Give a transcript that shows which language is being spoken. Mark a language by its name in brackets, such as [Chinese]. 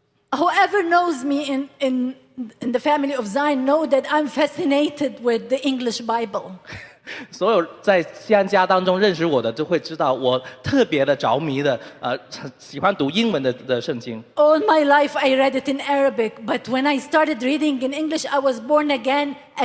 [English] Whoever knows me in the family of Zion know that I'm fascinated with the English Bible. [Chinese] 所有在西安家当中认识我的就会知道我特别的着迷的喜欢读英文的圣经。 [English] All my life I read it in Arabic, but when I started reading in English, I was born again.